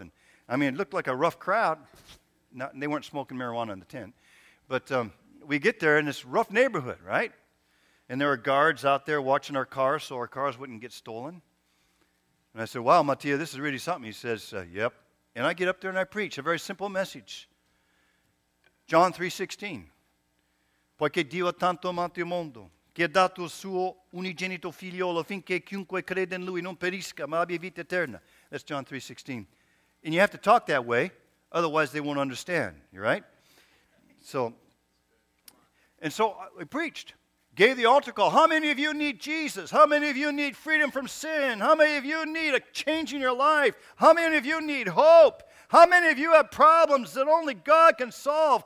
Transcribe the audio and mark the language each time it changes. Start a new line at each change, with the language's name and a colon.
English: And I mean, it looked like a rough crowd. They weren't smoking marijuana in the tent. But we get there in this rough neighborhood, right? And there are guards out there watching our cars so our cars wouldn't get stolen. And I said, wow, Mattia, this is really something. He says, yep. And I get up there and I preach a very simple message. John 3:16.
Italian: Poiché Dio ha tanto amato il mondo, che ha dato il suo unigenito figliolo affinché chiunque crede in lui non perisca, ma abbia vita eterna.
English: That's John 3:16. And you have to talk that way, otherwise they won't understand, you right? So I preached, gave the altar call. How many of you need Jesus? How many of you need freedom from sin? How many of you need a change in your life? How many of you need hope? How many of you have problems that only God can solve?